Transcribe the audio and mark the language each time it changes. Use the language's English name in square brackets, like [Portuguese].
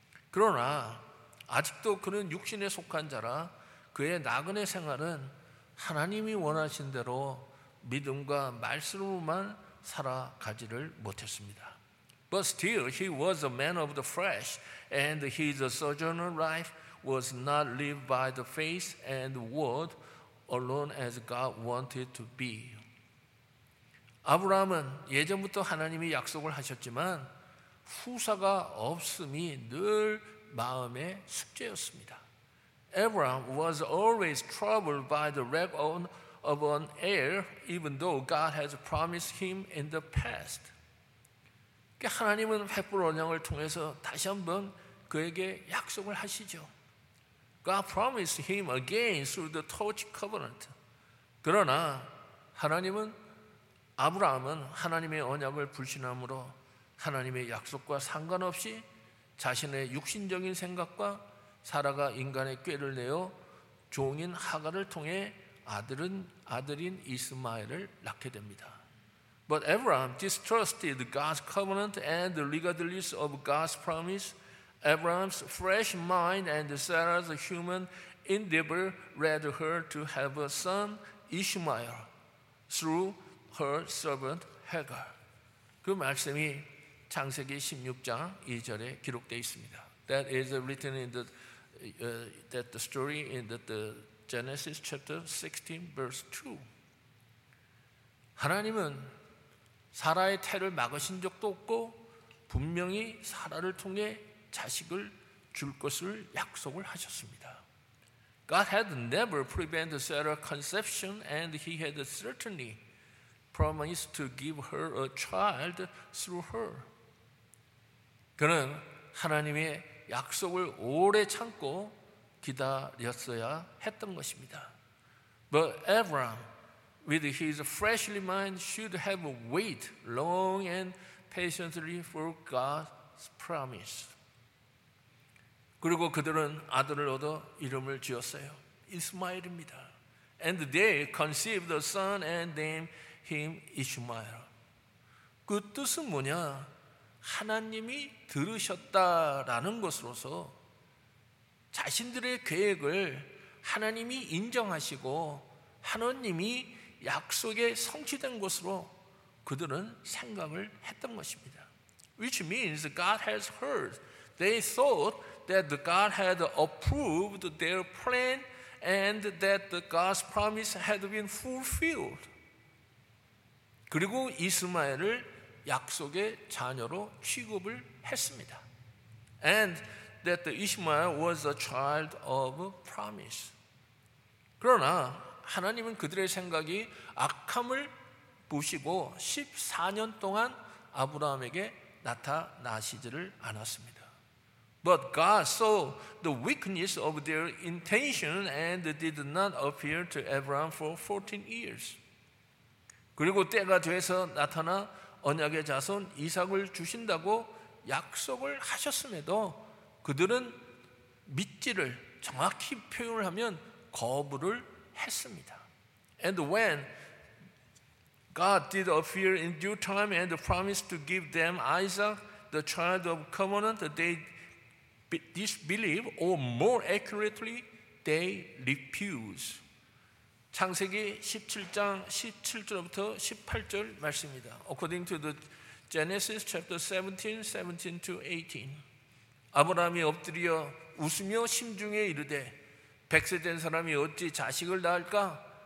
[Korean] 그러나 아직도 그는 육신에 속한 자라 그의 나그네 생활은 하나님이 원하신 대로 믿음과 말씀으로만 살아가지를 못했습니다. [English] But still, he was a man of the flesh, and his sojourner life was not lived by the faith and word alone as God wanted to be. [Korean] 아브라함은 예전부터 하나님이 약속을 하셨지만 후사가 없음이 늘 마음의 숙제였습니다. [English] Abraham was always troubled by the lack of an heir, even though God has promised him in the past. [Korean] 하나님은 횃불 언약을 통해서 다시 한번 그에게 약속을 하시죠. [English] God promised him again through the torch covenant. [Korean] 그러나 하나님은 아브라함은 하나님의 언약을 불신함으로 하나님의 약속과 상관없이 자신의 육신적인 생각과 사라가 인간의 꾀를 내어 종인 하갈을 통해 아들인 이스마엘을 낳게 됩니다. [English] But Abraham distrusted God's covenant and the legalities of God's promise. Abraham's fresh mind and Sarah's human endeavor led her to have a son, Ishmael, through her servant Hagar. [Korean] 그 말씀이 창세기 16장 2절에 기록되어 있습니다. [English] That is written in the story in the Genesis chapter 16 verse 2. [Korean] 하나님은 사라의 태를 막으신 적도 없고 분명히 사라를 통해 자식을 줄 것을 약속을 하셨습니다. [English] God had never prevented Sarah's conception and he had certainly promised to give her a child through her. [Korean] 그는 하나님의 약속을 오래 참고 기다렸어야 했던 것입니다. [English] But Abraham, with his freshly mind, should have waited long and patiently for God's promise. [Korean] 그리고 그들은 아들을 얻어 이름을 지었어요. 이스마엘입니다. [English] And they conceived a son and named him Ishmael. [Korean] 그 뜻은 뭐냐? 하나님이 들으셨다라는 것으로서 자신들의 계획을 하나님이 인정하시고 하나님이 약속에 성취된 것으로 그들은 생각을 했던 것입니다. [English] Which means God has heard. They thought that God had approved their plan and that God's promise had been fulfilled. [Korean] 그리고 이스마엘을 약속의 자녀로 취급을 했습니다. [English] And that Ishmael was a child of promise. [Korean] 그러나 하나님은 그들의 생각이 악함을 보시고 14년 동안 아브라함에게 나타나시지를 않았습니다. [English] But God saw the weakness of their intention and did not appear to Abraham for 14 years. [Korean] 그리고 때가 돼서 나타나 언약의 자손 이삭을 주신다고 약속을 하셨음에도 그들은 믿지를 정확히 표현을 하면 거부를 했습니다. [English] And when God did appear in due time and promised to give them Isaac, the child of covenant, they disbelieved, or more accurately, they refused. [Korean] 창세기 17장 17절부터 18절 말씀입니다. [English] According to the Genesis chapter 17, 17 to 18. [Korean] 아브라함이 엎드려 웃으며 심중에 이르되 백세된 사람이 어찌 자식을 낳을까?